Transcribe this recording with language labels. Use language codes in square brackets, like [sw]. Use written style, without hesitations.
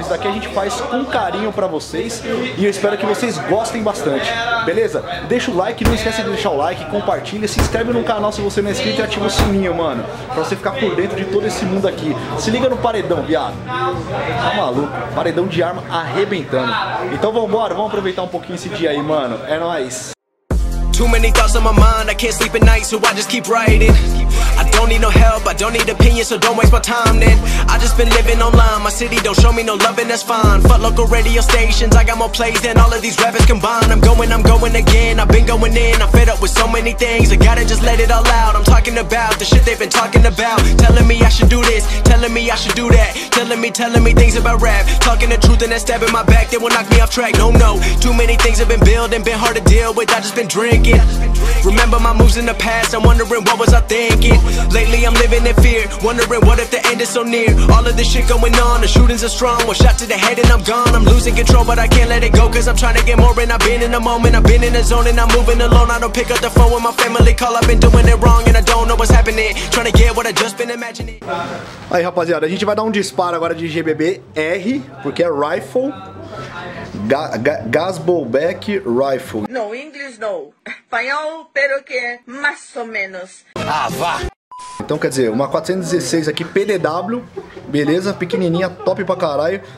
[pt] Isso daqui a gente faz com carinho pra vocês. E eu espero que vocês gostem bastante. Beleza? Deixa o like, não esquece de deixar o like, compartilha, se inscreve no canal se você não é inscrito e ativa o sininho, mano, pra você ficar por dentro de todo esse mundo aqui. Se liga no paredão, viado. Tá maluco? Paredão de arma arrebentando. Então vambora, vamos aproveitar um pouquinho esse dia aí, mano. É nóis. [en] Too many thoughts on my mind, I can't sleep at night, so I just keep writing. I don't need no help, I don't need opinions, so don't waste my time then. I just been living online, my city don't show me no loving, that's fine. Fuck local radio stations, I got more plays than all of these rappers combined. I'm going again, I've been going in, I'm fed up with so many things. I gotta just let it all out, I'm talking about the shit they've been talking about. Telling me I should do this, telling me I should do that. Telling me things about rap, talking the truth and that stab in my back that will knock me off track, no, no. Too many things have been building, been hard to deal with, I just been drinking. Remember my moves in the past, I'm wondering what was I thinking. Lately I'm living in fear, wondering what if the end is so near. All of this shit going on, the shootings are strong, one shot to the head and I'm gone. I'm losing control but I can't let it go, cause I'm trying to get more and I've been in the moment. I've been in the zone and I'm moving alone, I don't pick up the phone when my family call. I've been doing it wrong and I don't know what's happening, trying to get what I just been imagining. [pt] Aí rapaziada, a gente vai dar um disparo agora de GBB R, porque é rifle. [en] Gasbowback Rifle. [pt] No, inglês no. Espanhol, pero que é mais ou menos. Ah, vá. Então, quer dizer, uma 416 aqui, PDW. Beleza, pequenininha, top pra caralho.